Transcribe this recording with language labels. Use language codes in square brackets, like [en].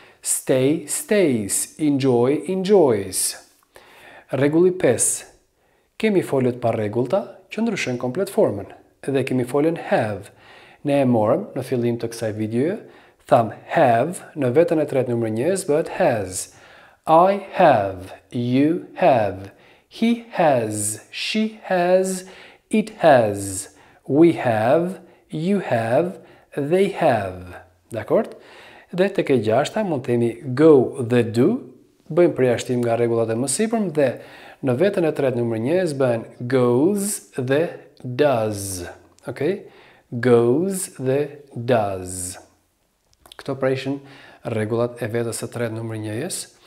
[en] Stay, stays, enjoy, enjoys. [sq] Rregulli 5. Kemi foljet pa rregullta që ndryshojnë komplet formën. Dhe kemi foljen have. Ne e morëm në fillim të kësaj videoje, tham have në veten e tretë numër 1 bëhet has. [en] I have, you have, he has, she has, it has, we have, you have, they have. [sq] Dakord? Dhe tek e gjashta mund të themi go dhe do, bëjmë përjashtim nga rregullat e mësipërm dhe në veten e tretë numër 1 bëhen goes dhe does. Okay? Goes dhe does. Këto pra ishin rregullat e vetës së tretë numër 1-s.